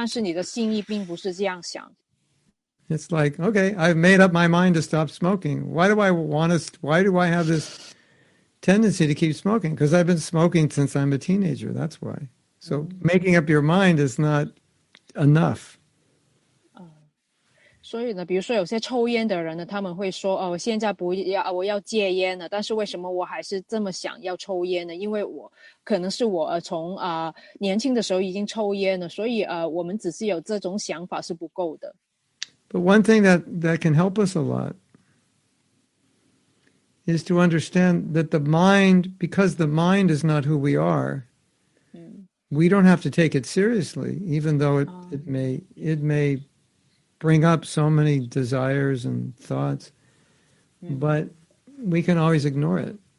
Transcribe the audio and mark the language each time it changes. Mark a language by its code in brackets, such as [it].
[zh] 很有趣的一点就是你变成奉献者的时候呢，你会想，你会说我想要变得有Krishna自觉，但是你的心意并不是这样想。 [en] It's like, okay, I've made up my mind to stop smoking. Why do I have this tendency to keep smoking? Because I've been smoking since I'm a teenager, that's why. So making up your mind is not enough. [zh] 所以呢，比如说有些抽烟的人呢，他们会说，哦，现在不要，我要戒烟了，但是为什么我还是这么想要抽烟呢？因为我可能是我从年轻的时候已经抽烟了，所以我们只是有这种想法是不够的。 [en] But one thing that can help us a lot is to understand that the mind, because the mind is not who we are, we don't have to take it seriously, even though it may bring up so many desires and thoughts, but we can always ignore it.